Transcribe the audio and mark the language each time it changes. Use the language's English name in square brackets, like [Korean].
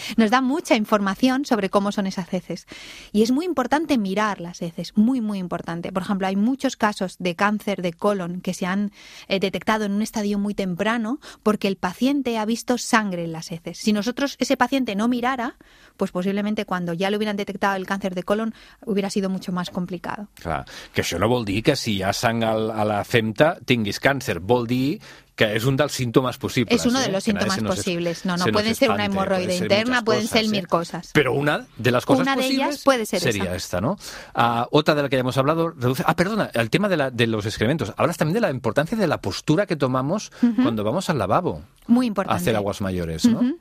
[Spanish] Nos da mucha información sobre cómo son esas heces. Y es muy importante mirar las heces, muy, muy importante. Por ejemplo, hay muchos casos de cáncer de colon que se han detectado en un estadio muy temprano porque el paciente ha visto sangre en las heces. Si nosotros, ese paciente no mirara, pues posiblemente cuando ya le hubieran detectado el cáncer de colon hubiera sido mucho más complicado. [Catalan] Clar, que això no vol dir que si hi ha sang a la femta tinguis càncer, vol dir que és un dels símptomes possibles. És [Spanish] uno de los [Catalan] símptomes possibles. [Spanish] No, pueden ser una hemorroide interna, pueden ser [Catalan] mil coses. Però una de les coses possibles [Spanish] seria esta, ¿no? Otra de la que ya hemos hablado, reduce. Ah, perdona, el tema de los excrementos. Hablas también de la importancia de la postura que tomamos cuando vamos al lavabo. Muy importante. Hacer aguas mayores, ¿no? Uh-huh.